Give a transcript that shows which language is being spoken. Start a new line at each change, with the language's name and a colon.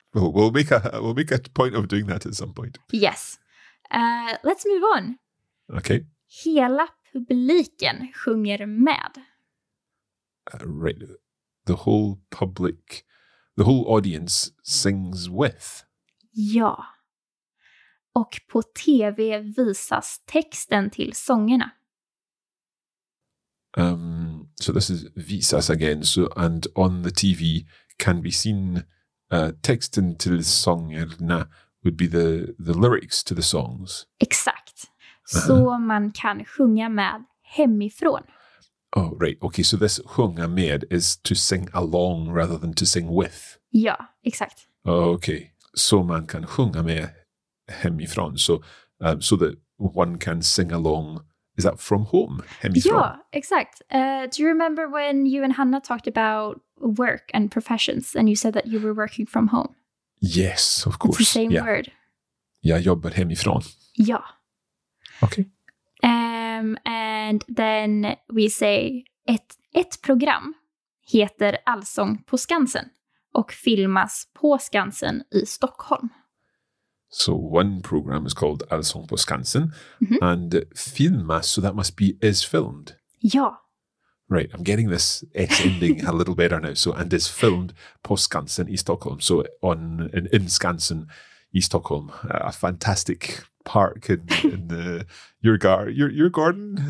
English: We'll make a point of doing that at some point. Yes. Let's move on. Okay.
Swedish: Hela publiken sjunger med.
English: Right. The whole public, the whole audience sings with.
Swedish: Ja. Och på TV visas texten till sångerna.
English: So this is visas again. So and on the TV can be seen
Swedish: texten till sångerna
English: would be the lyrics to the songs.
Swedish: Exakt. Så man kan sjunga med hemifrån.
English: Oh, right. Okay, so this
Swedish: sjunga med
English: is to sing along rather than to sing with.
Swedish: Ja, exakt.
English: Okay.
Swedish: Så man kan sjunga med hemifrån.
English: So so that one can sing along. Is that from home? Hemifrån?
Swedish: Ja, exakt.
English: Do you remember when you and Hannah talked about work and professions and you said that you were working from home? Yes, of course. It's the same word.
Swedish: Jag jobbar hemifrån. Ja.
English: Okay. And then we say
Swedish: ett program heter Allsång på Skansen och filmas på Skansen i Stockholm.
English: So one program is called Allsång på Skansen and filmas, so that must be is filmed.
Swedish: Ja.
English: Right, I'm getting this S ending a little better now. So, and is filmed
Swedish: på Skansen i Stockholm.
English: So, in Skansen i Stockholm, a fantastic park in the your garden.